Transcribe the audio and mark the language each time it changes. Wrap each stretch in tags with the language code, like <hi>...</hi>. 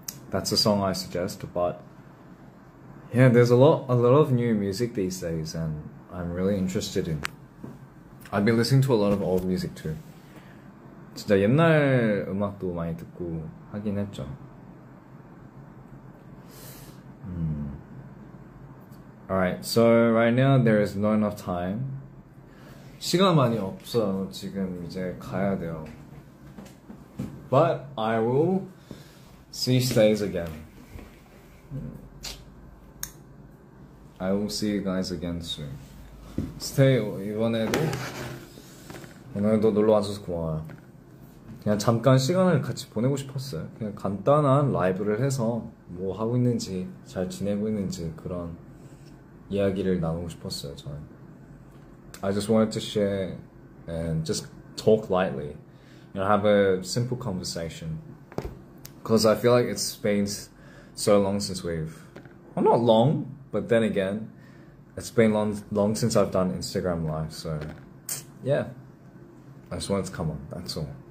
<en>That's a song I suggest, but yeah, there's a lot of new music these days, and I'm really interested in. I've been listening to a lot of old music too.</en> <ko>진짜 옛날 음악도 많이 듣고 하긴 했죠.</ko> <en>Alright, so right now there is not enough time.</en> <ko>시간 많이 없어. 지금 이제 가야 돼요.</ko> <en>But I will see you guys again. I will see you guys again soon. Stay</en> <ko>이번에도 놀러 와줘서 고마워요. 그냥 잠깐 시간을 같이 보내고 싶었어요. 그냥 간단한 라이브를 해서 뭐 하고 있는지, 잘 지내고 있는지 그런 이야기를 나누고 싶었어요, 저는.</ko> <en>I just wanted to share and just talk lightly and you know, have a simple conversation because I feel like it's been so long since we've, well, not long, but then again, it's been long since I've done Instagram Live, so yeah, I just wanted to come on, that's all.</en>